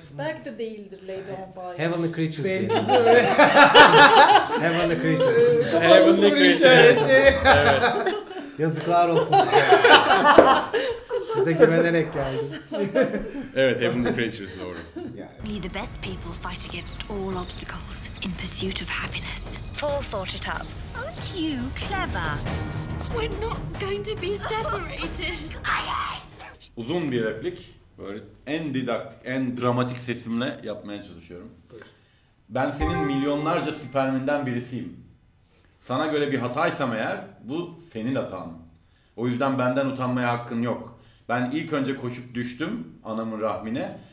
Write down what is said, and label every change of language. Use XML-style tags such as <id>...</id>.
<tr>Belki de değildir Lady on Fire. Heavenly Creatures değil. Heavenly Creatures. Heavenly Creatures. Evet. Yazıklar olsun size. Size güvenerek geldim. Evet, Heavenly Creatures doğru.</tr> <en>Only the best people fight against all obstacles in pursuit of happiness. Paul thought it up. Aren't you clever? We're not going to be separated.</en> <tr>Uzun bir replik. Böyle en didaktik, en dramatik sesimle yapmaya çalışıyorum. Ben senin milyonlarca süperminden birisiyim. Sana göre bir hataysam eğer, bu senin hatan. O yüzden benden utanmaya hakkın yok. Ben ilk önce koşup düştüm anamın rahmine.</tr>